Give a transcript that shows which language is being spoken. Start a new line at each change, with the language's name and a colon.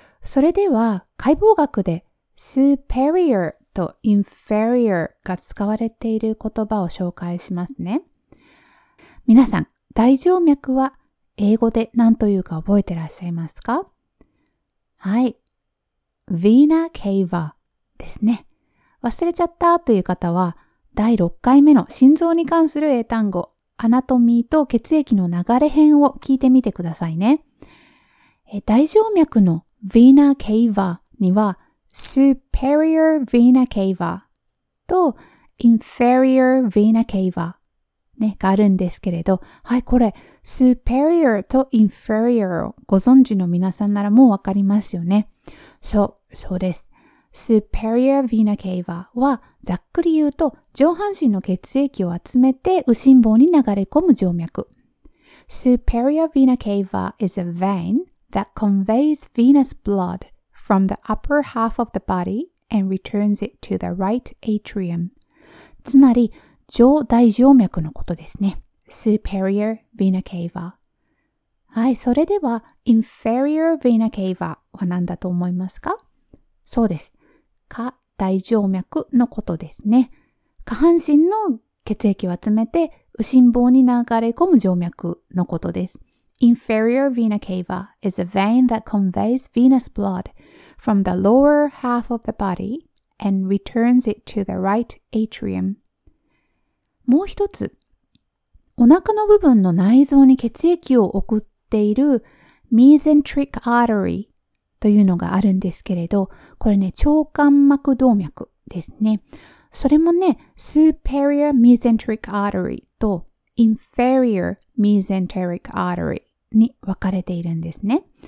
Japanese: それでは、解剖学で、superior と inferior が使われている言葉を紹介しますね。皆さん、大静脈は英語で何というか覚えてらっしゃいますか？はい。 vena cava ですね。忘れちゃったという方は、第6回目の心臓に関する英単語、アナトミーと血液の流れ編を聞いてみてくださいね。大静脈の vena cava には、superior vena cava と inferior vena cava、ね、があるんですけれど、はい、これ superior と inferior をご存知の皆さんならもうわかりますよね。そう、そうです。superior vena cava はざっくり言うと上半身の血液を集めて右心房に流れ込む静脈。
English: superior vena cava is a vein that conveys venous blood from the upper half of the body and returns it to the right atrium.
Japanese: つまり、上大静脈のことですね。Superior vena cava。はい、それでは、inferior vena cava は何だと思いますか？そうです。下大静脈のことですね。下半身の血液を集めて、右心房に流れ込む静脈のことです。
English: Inferior vena cava is a vein that conveys venous blood from the lower half of the body and returns it to the right atrium.
Japanese: もう一つ、お腹の部分の内臓に血液を送っている mesenteric artery というのがあるんですけれど、これね、腸間膜動脈ですね。それもね、superior mesenteric artery と inferior mesenteric artery に分かれているんですね。